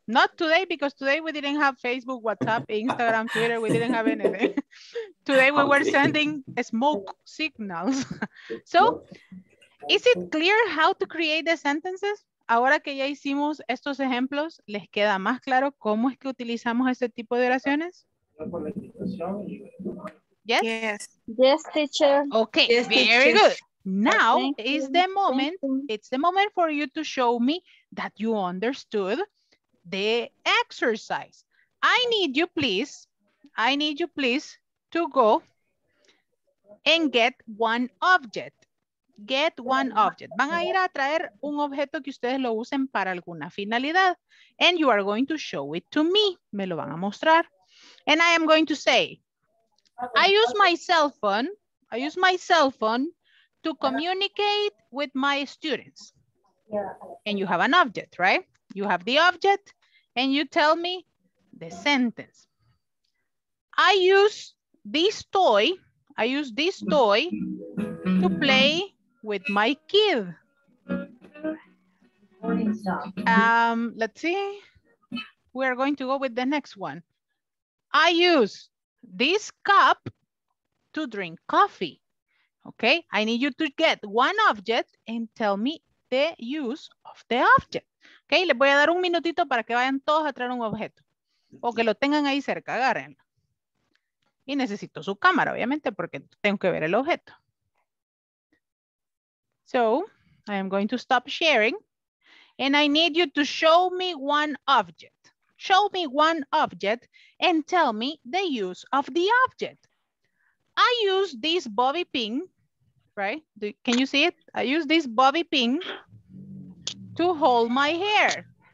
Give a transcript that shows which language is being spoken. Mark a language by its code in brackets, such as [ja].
[en] Not today, because today we didn't have Facebook, WhatsApp, Instagram, Twitter, we didn't have anything. Today we were sending smoke signals. So, is it clear how to create the sentences? [es] Ahora que ya hicimos estos ejemplos, ¿les queda más claro cómo es que utilizamos este tipo de oraciones? [en] Yes? Yes, teacher. Okay, yes, very teacher. Good. Now is the moment. It's the moment for you to show me that you understood the exercise. I need you, please, to go and get one object. get one object. [es] Van a ir a traer un objeto que ustedes lo usen para alguna finalidad. [en] And you are going to show it to me. [es] Me lo van a mostrar. [en] And I am going to say, I use my cell phone to communicate with my students. And you have an object, right? You have the object and you tell me the sentence. I use this toy to play with my kid. Let's see. We are going to go with the next one. I use this cup to drink coffee. Okay, I need you to get one object and tell me the use of the object. [es] Okay, les voy a dar un minutito para que vayan todos a traer un objeto. O que lo tengan ahí cerca, agárrenlo. Y necesito su cámara, obviamente, porque tengo que ver el objeto. [en] So, I am going to stop sharing. And I need you to show me one object. Show me one object and tell me the use of the object. I use this bobby pin, right? Can you see it? I use this bobby pin to hold my hair.